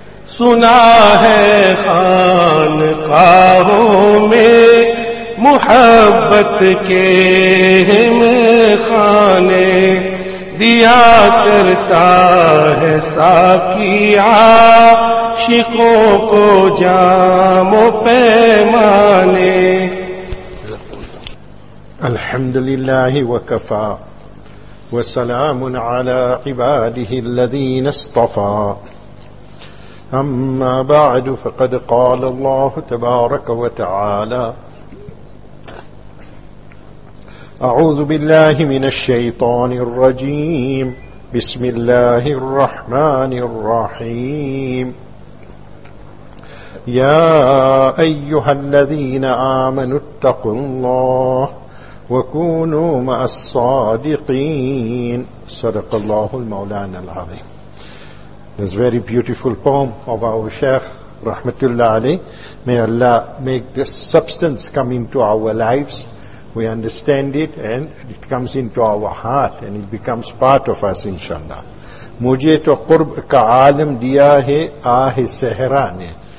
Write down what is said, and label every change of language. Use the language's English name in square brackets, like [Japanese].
[Urdu] سنا ہے خانقاہوں میں محبت کے میخانے دیا کرتا ہے ساقی عاشقوں کو جام و پیمانے [Arabic] الحمدللہ وکفا وسلام على عباده الذين اصطفى أما بعد فقد قال الله تبارك وتعالى أعوذ بالله من الشيطان الرجيم بسم الله الرحمن الرحيم. يا أيها الذين آمنوا اتقوا الله وكونوا مع الصادقين. صدق الله المولانا العظيم. [English] This very beautiful poem of our Shaykh Rahmatullah Ali. May Allah make this substance come into our lives. We understand it and it comes into our heart and it becomes part of us, inshallah. [Urdu] Mujhe to qurb ka alam diya hai aah sehra ne.